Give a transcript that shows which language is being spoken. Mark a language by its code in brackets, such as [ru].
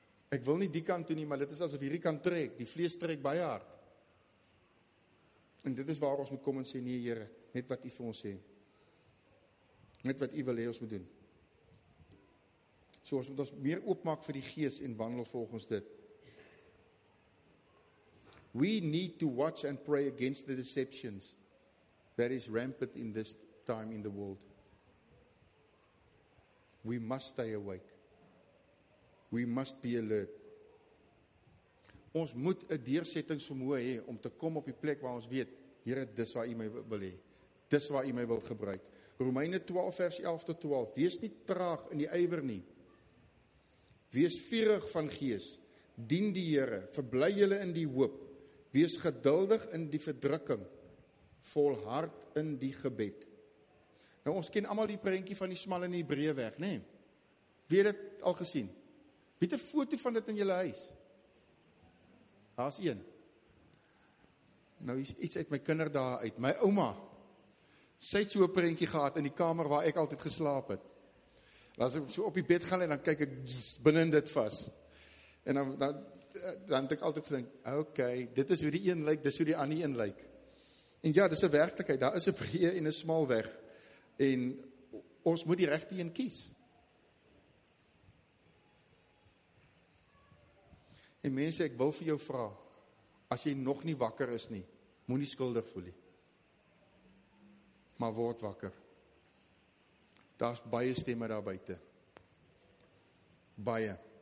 [af] Ek wil nie die kant toe nie, maar dit is asof hierdie kant trek. Die vlees trek baie hard. En dit is waar ons moet kom en sê, nee Here, net wat u vir ons sê. Net wat u wil hê ons moet doen. So ons moet ons meer oopmaak vir die gees en wandel volgens dit. [en] We need to watch and pray against the deceptions that is rampant in this time in the world. We must stay awake. We must be alert. [af] Ons moet 'n deursettingsvermoë hê om te kom op die plek waar ons weet, Here, dis waar U my wil hê. Dis waar U my wil gebruik. Romeine 12 vers 11 tot 12. Wees nie traag in die ywer nie. Wees vurig van gees. Dien die Here. Verbly julle in die hoop. Wees geduldig in die verdrukking. Volhard in die gebed. Nou, ons ken allemaal die prentjie van die smal en die breë weg, nê? Wie het dit al gesien? Wie het 'n foto van dit in julle huis? Daar's een. Nou, iets uit my kinderdae uit. My ouma, sy het so 'n prentjie gehad in die kamer waar ek altyd geslaap het. En as ek so op die bed gaan en dan kyk ek binnen dit vas. En dan het ek altyd gedink, okay, dit is hoe die een lyk, dis hoe die ander een lyk. En ja, dis 'n werklikheid, daar is 'n breë en 'n smal weg. En ons moet die regte een kies. En mense, ek wil vir jou vra, as jy nog nie wakker is nie, moenie skuldig voel nie. Maar word wakker. Daar's baie stemme daar buite. Baie.